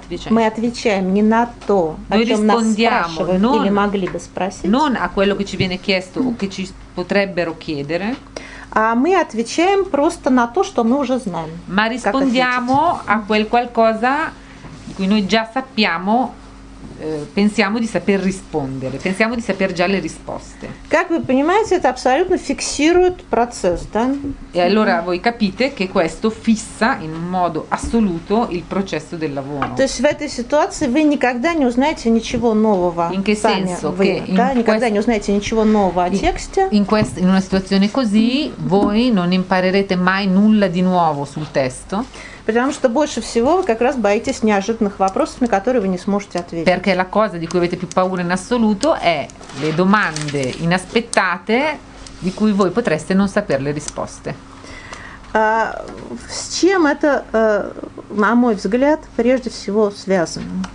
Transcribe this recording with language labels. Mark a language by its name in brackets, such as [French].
[Russian] Мы отвечаем не на то, о чем нас спрашивают или могли бы спросить. [Italian] Non a quello che ci viene chiesto o che ci potrebbero chiedere. [Russian] А мы отвечаем просто на то, что мы уже знаем. [Italian] Ma rispondiamo a quel qualcosa di cui noi già sappiamo, pensiamo di saper rispondere, pensiamo di saper già le risposte. [Russian] Как вы понимаете, это абсолютно фиксирует процесс, да? [Italian] E allora voi capite che questo fissa in un modo assoluto il processo del lavoro. [Russian] То есть в этой ситуации вы никогда не узнаете ничего нового. [Italian] In che senso? Che [Russian] никогда не узнаете ничего нового о тексте. [Italian] In una situazione così voi non imparerete mai nulla di nuovo sul testo. [Russian] Потому что больше всего вы как раз боитесь неожиданных вопросов, на которые вы не сможете ответить. [Italian] Perché la cosa di cui avete più paura in assoluto è le domande inaspettate di cui voi potreste non sapere le risposte. [Russian] С чем это, на мой взгляд, прежде всего связано?